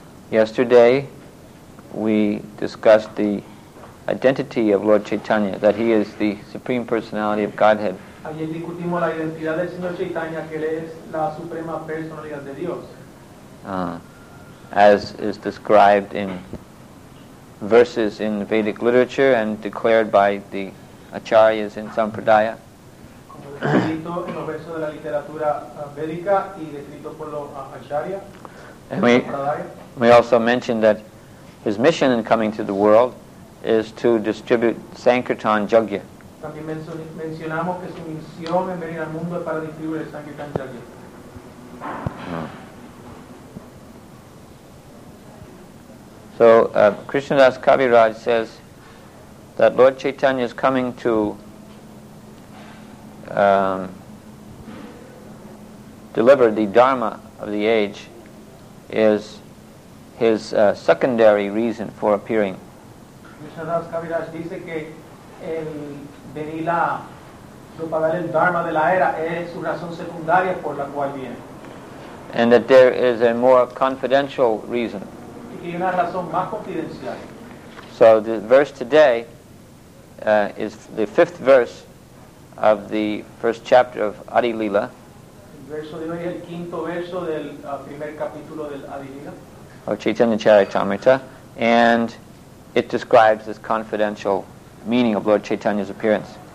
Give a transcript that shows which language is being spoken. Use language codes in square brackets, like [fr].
[en] Yesterday, we discussed the identity of Lord Chaitanya, that he is the Supreme Personality of Godhead. [es] Ayer discutimos la identidad del Señor Chaitanya, que él es la suprema personalidad de Dios. [en] As is described in verses in Vedic literature and declared by the acharyas in Sampradaya. [es] Como descrito en los versos de la literatura védica y descrito por los acharyas. [en] And we also mentioned that his mission in coming to the world is to distribute Sankirtan Yajna. [es] También mencionamos que su misión en venir al mundo es para distribuir el Sankirtan Yajna. [en] So Krishnadas Kaviraj says that Lord Chaitanya is coming to deliver the Dharma of the age is his secondary reason for appearing. [es] Krishnadas Kaviraj dice que el venir a propagar el Dharma de la era es su razón secundaria por la cual viene. [en] And that there is a more confidential reason. So the verse today is the fifth verse of the first chapter of Adi Lila. Of Chaitanya Charitamrita, and it describes this confidential meaning of Lord Chaitanya's appearance.